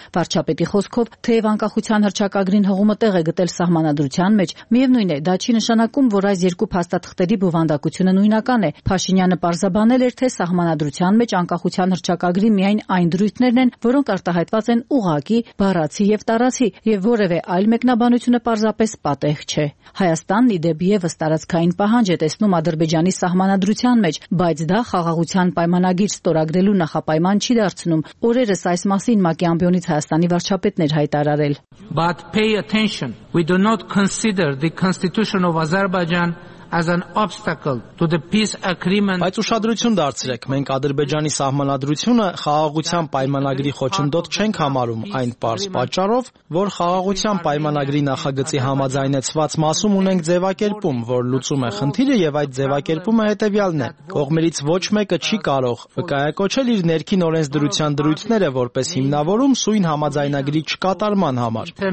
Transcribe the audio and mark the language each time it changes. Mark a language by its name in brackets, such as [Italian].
[Armenian] Վարչապետի խոսքով, թեև անկախության հռչակագրին հղումը տեղ է գտել սահմանադրության մեջ, միևնույն է, դա չի նշանակում, որ այս երկու փաստաթղթերի բովանդակությունը նույնական է։ Փաշինյանը պարզաբանել էր, թե սահմանադրության անկախության հռչակագրի միայն այն դրույթներն են, որոնք արտահայտված են ուղակի, բառացի և տարացի, և որևէ այլ մեկնաբանությունը պարզապես պատեհ չէ։ Հայաստանն ի դեպ ևս տարածքային պահանջ է տեսնում Ադրբեջանի սահմանադրության մեջ, բայց դա խաղաղության պայմանագիր ստորագրելու նախապայման չի դարձնում։ Օրերս այս մասին Մակիամբյոնից Հայաստանի վարչապետն էր հայտարարել. [English] But pay attention, we do not consider the constitution of Azerbaijan as an obstacle to the peace agreement. [Armenian] Բայց ուշադրություն դարձրեք, մենք Ադրբեջանի սահմանադրությունը խաղաղության պայմանագրի խոչընդոտ չենք համարում, այն պարզ պատճառով, որ խաղաղության պայմանագրի նախագծի համաձայնեցված մասում ունենք ձևակերպում, որ լուծում է խնդիրը, եւ այդ ձևակերպումը հետեւյալն է. կողմերից ոչ մեկը չի կարող վկայակոչել իր ներքին օրենսդրության դրույթները որպես հիմնավորում սույն համաձայնագրի չկատարման համար։